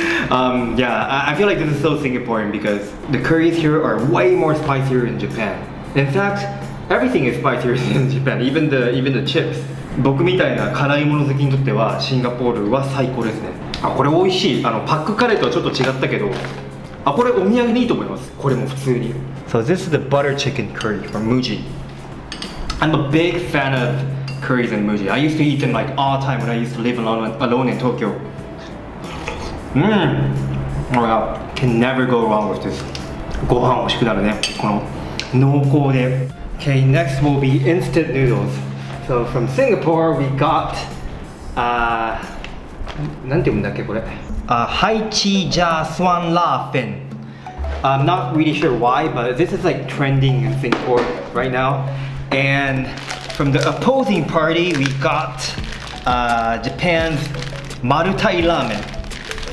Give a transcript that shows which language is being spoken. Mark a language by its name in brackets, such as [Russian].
[English] I feel like this is so Singaporean because the curries here are way more spicier than Japan. In fact, everything is spicier than Japan, even the chips. [Japanese] 僕みたいな辛いもの好きにとってはシンガポールは最高ですね。あ、これ美味しい。あのパックカレーとはちょっと違ったけど、あ、これお土産にいいと思います。これも普通に。 [English] So this is the butter chicken curry from Muji. I'm a big fan of curries and Muji. I used to eat them like all the time when I used to live alone in Tokyo. Oh yeah, can never go wrong with this. [Japanese] ご飯欲しくなるね。この濃厚で。 [English] Okay, next will be instant noodles. So from Singapore, we got... [Japanese] なんて読むんだっけこれ。 [Chinese] Hai Chi Ja Suan La Fin. [English] I'm not really sure why, but this is like trending in Singapore right now. And from the opposing party, we got Japan's Marutai Ramen.